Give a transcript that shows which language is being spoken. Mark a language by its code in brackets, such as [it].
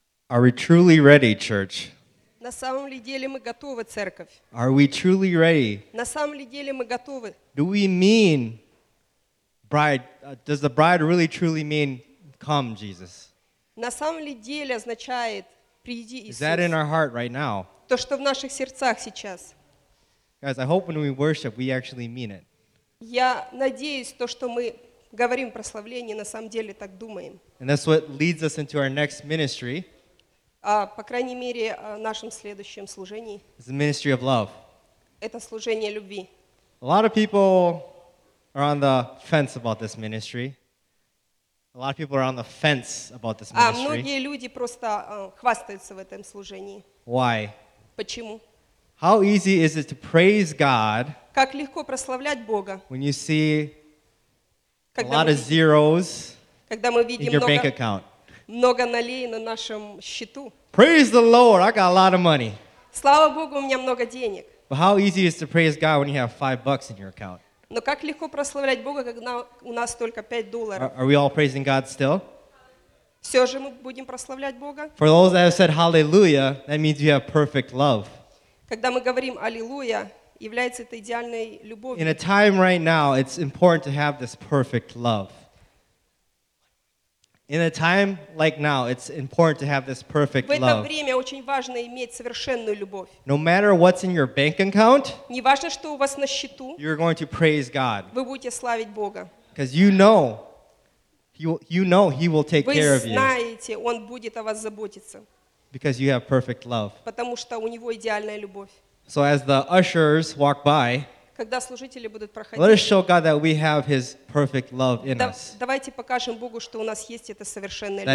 [en] Are we truly ready, church? [ru] На самом ли деле мы готовы, церковь? [en] Are we truly ready? [ru] На самом ли деле мы готовы? [en] Do we mean, bride, does the bride really truly mean, come, Jesus? [ru] На самом ли деле означает, приди, Иисус? [en] Is that in our heart right now? [ru] То, что в наших сердцах сейчас. [en] Guys, I hope when we worship, we actually mean it. [ru] Я надеюсь, то, что мы говорим прославление, на самом деле так думаем. [en] And that's what leads us into our next ministry. [ru] По крайней мере, нашем следующем служении. [en] It's the ministry of love. [ru] Это служение любви. [en] A lot of people are on the fence about this ministry. A lot of people are on the fence about this ministry. [ru] Многие люди просто хвастаются в этом служении. [en] Why? [ru] Почему? [en] How easy is it to praise God? [ru] Как легко прославлять Бога? [en] When you see a lot of zeros in your bank account. [ru] Много нолей на нашем счету. [en] Praise the Lord, I got a lot of money. [ru] Слава Богу, у меня много денег. [en] But how easy is it to praise God when you have $5 in your account? [ru] Но как легко прославлять Бога, когда у нас только $5? [en] Are we all praising God still? [ru] Все же мы будем прославлять Бога. [en] For those that have said hallelujah, that means you have perfect love. [ru] Когда мы говорим аллилуйя, является это идеальной любовью. [en] In a time right now, it's important to have this perfect love. In a time like now, it's important to have this perfect love. [ru] В это время очень важно иметь совершенную любовь. [en] No matter what's in your bank account, [ru] не важно, что у вас на счету, [en] you're going to praise God. [ru] Вы будете славить Бога. [en] Because you know He will take care of you. [ru] Вы знаете, Он будет о вас заботиться. [en] Because you have perfect love. [ru] Потому что у него идеальная любовь. [en] So as the ushers walk by, [ru] когда служители будут проходить, [en] let us show God that we have His perfect love in us. [ru] Давайте покажем Богу, что у нас есть эта совершенная любовь.